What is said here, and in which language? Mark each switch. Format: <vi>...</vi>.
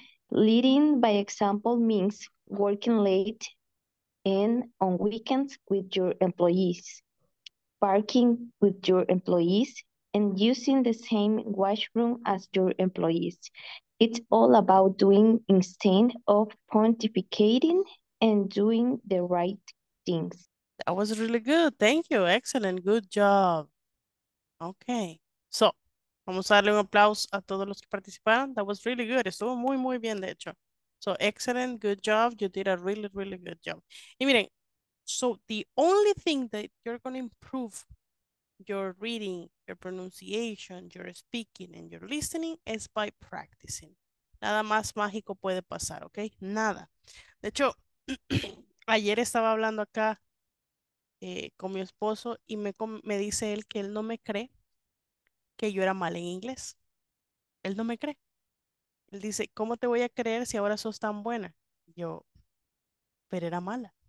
<en>Leading by example means working late and on weekends with your employees, parking with your employees, and using the same washroom as your employees. It's all about doing instead of pontificating and doing the right things. That was really good. Thank you. Excellent. Good job. Okay.</en> <es>So, vamos a darle un aplauso a todos los que participaron.</es> <en>That was really good.</en> <es>Estuvo muy, muy bien, de hecho.</es> <en>So, excellent. Good job. You did a really, really good job.</en> <es>Y miren,</es> <en>so the only thing that you're going to improve your reading, your pronunciation, your speaking, and your listening is by practicing.</en> <es>Nada más mágico puede pasar, okay? Nada. De hecho, ayer estaba hablando acá con mi esposo y me dice él que él no me cree que yo era mal en inglés. Él no me cree. Él dice, ¿cómo te voy a creer si ahora sos tan buena? Yo, pero era mala.</es>